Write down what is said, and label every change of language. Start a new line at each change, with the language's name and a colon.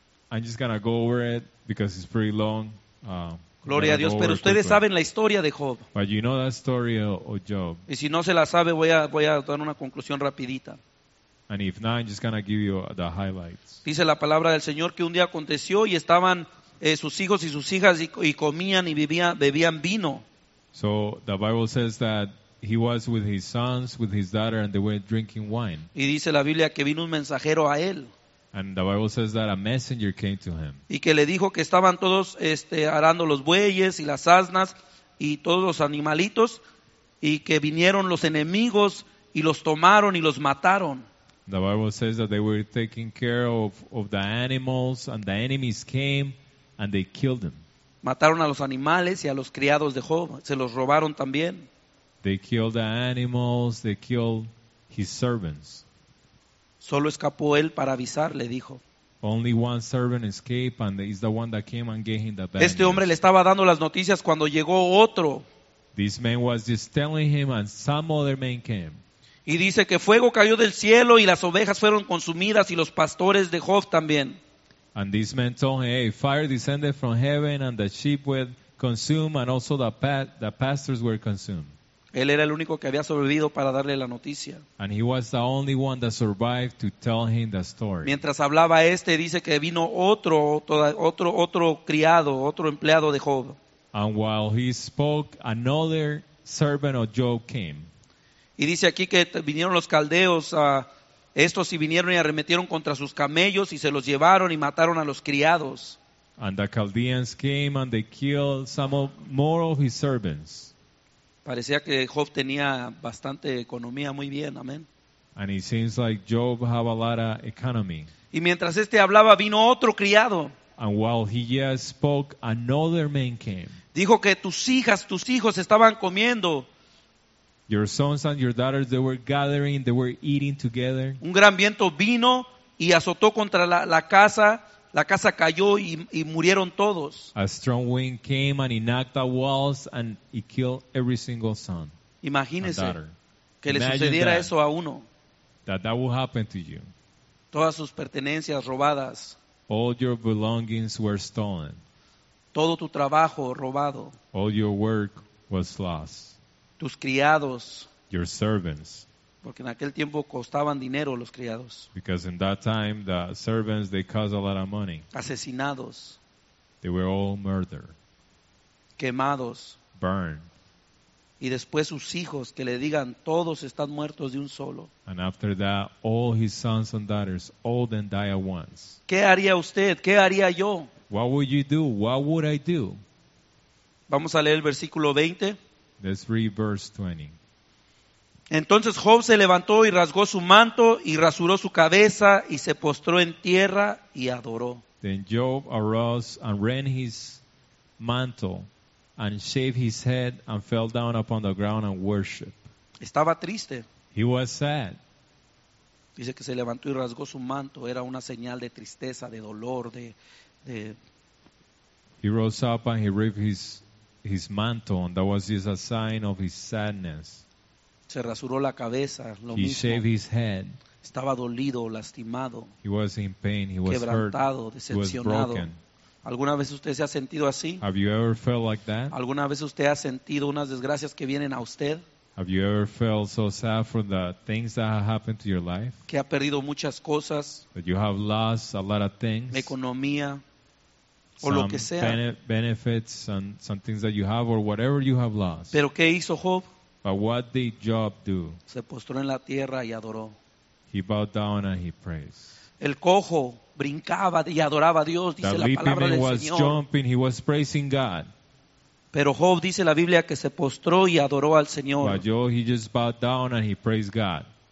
English: I'm just going to go over it because it's pretty long.
Spanish: Gloria a Dios, pero ustedes saben la historia de Job.
English: But you know that story of Job.
Spanish: Y si no se la sabe, voy a dar una conclusión rapidita.
English: And if not, I'm just gonna give you the highlights.
Spanish: Dice la palabra del Señor que un día aconteció y estaban sus hijos y sus hijas y comían y bebían vino.
English: So the Bible says that he was with his sons, with his daughter, and they were drinking wine.
Spanish: Y dice la Biblia que vino un mensajero a él.
English: And the Bible says that a messenger came to him.
Spanish: Y que le dijo que estaban todos arando los bueyes y las asnas y todos los animalitos, y que vinieron los enemigos y los tomaron y los mataron.
English: The Bible says that they were taking care of the animals, and the enemies came and they killed them.
Spanish: Mataron a los animales y a los criados de Job, se los robaron también.
English: They killed the animals, they killed his servants.
Spanish: Solo escapó él para avisar, le dijo.
English: Only one servant escaped, and he's the one that came and gave him the bad.
Spanish: Este hombre le estaba dando las noticias cuando llegó otro.
English: This man was just telling him, and some other man came.
Spanish: Y dice que fuego cayó del cielo y las ovejas fueron consumidas y los pastores de Job también.
English: And this man told him, hey, fire descended from heaven and the sheep were consumed and also the pastors were consumed.
Spanish: Él era el único que había sobrevivido para darle la noticia.
English: And he was the only one that survived to tell him the story.
Spanish: Mientras hablaba este, dice que vino otro criado, otro empleado de Job.
English: And while he spoke, another servant of Job came.
Spanish: Y dice aquí que vinieron los caldeos a estos y vinieron y arremetieron contra sus camellos y se los llevaron y mataron a los criados.
English: And the Chaldeans came and they killed more of his servants.
Spanish: Parecía que Job tenía bastante economía, muy bien, amén.
English: And it seems like Job have a lot of economy.
Spanish: Y mientras este hablaba, vino otro criado.
English: And while he just spoke, another man came.
Spanish: Dijo que tus hijos estaban comiendo.
English: Your sons and your daughters, they were gathering, they were eating together.
Spanish: Un gran viento vino y azotó contra la casa cayó y murieron todos.
English: A strong wind came and it knocked the walls and it killed every single son.
Spanish: Imagínese que le sucediera eso a uno.
English: That will happen to you.
Spanish: Todas sus pertenencias robadas.
English: All your belongings were stolen.
Spanish: Todo tu trabajo robado.
English: All your work was lost.
Spanish: Tus criados,
English: your servants,
Spanish: porque en aquel tiempo costaban dinero los criados.
English: Because in that time the servants they cost a lot of money.
Spanish: Asesinados,
English: they were all murdered.
Spanish: Quemados,
English: burned.
Spanish: Y después sus hijos que le digan todos están muertos de un solo.
English: And after that, all his sons and daughters, all of them die at once.
Spanish: ¿Qué haría usted? ¿Qué haría yo?
English: What would you do? What would I do?
Spanish: Vamos a leer el versículo 20.
English: Let's read verse 20.
Spanish: Entonces Job se levantó y rasgó su manto y rasuró su cabeza y se postró en tierra y adoró.
English: Then Job arose and rent his mantle and shaved his head and fell down upon the ground and worshiped.
Spanish: Estaba triste.
English: He was sad.
Spanish: Dice que se levantó y rasgó su manto. Era una señal de tristeza, de dolor, de...
English: He rose up and he ripped his mantle, and that was just a sign of his sadness.
Spanish: Se rasuró la cabeza, lo
English: he
Spanish: mismo.
English: Shaved his head.
Spanish: Estaba dolido, lastimado.
English: He was in pain. He
Spanish: quebrantado,
English: was hurt.
Spanish: Decepcionado.
English: He was broken.
Spanish: ¿Alguna vez usted se ha sentido así?
English: Have you ever felt like that?
Spanish: ¿Alguna vez usted ha sentido unas desgracias que vienen a usted?
English: Have you ever felt so sad for the things that have happened to your life?
Spanish: Que ha perdido muchas cosas.
English: That you have lost a lot of things.
Spanish: Economía.
English: Some
Spanish: o lo que sea.
English: Benefits and some things that you have or whatever you have lost.
Spanish: ¿Pero qué hizo Job?
English: But what did Job do?
Spanish: Se postró en la tierra y adoró.
English: He bowed down and he praised.
Spanish: El cojo brincaba y adoraba a Dios, dice
English: the
Spanish: la palabra del Señor.
English: The leaping man was jumping, he was praising God.
Spanish: Pero Job dice la Biblia que se postró y adoró al Señor.
English: But Job, he just bowed down and he praised God.